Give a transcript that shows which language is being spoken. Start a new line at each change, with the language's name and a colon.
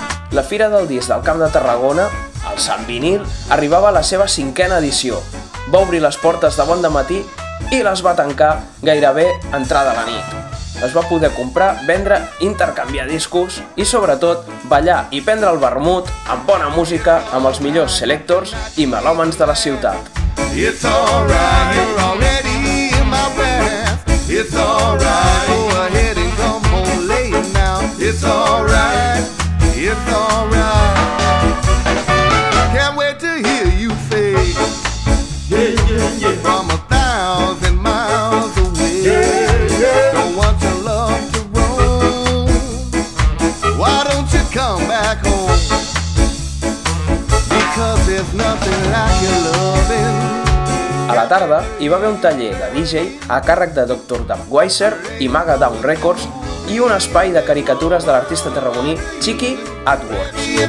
Catalan: La Fira del Disc del Camp de Tarragona, el Sant Vinil, arribava a la seva cinquena edició. Va obrir les portes de bon dematí i les va tancar gairebé entrada la nit. Es va poder comprar, vendre, intercanviar discos i, sobretot, ballar i prendre el vermut amb bona música amb els millors selectors i melòmans de la ciutat.
English: It's alright, you're already in my path. It's alright, go ahead and come on late now. It's alright. It's alright. Can't wait to hear you say, yeah, yeah, yeah. From a thousand miles away, yeah, yeah. Don't want your love to roam. Why don't you come back home? Because there's nothing like your loving.
Catalan: A la tarda hi va haver un taller de DJ a càrrec de Dr. Dubweiser i Maga Down Records i un espai de caricatures de l'artista tarragoní Chiqui Edwards.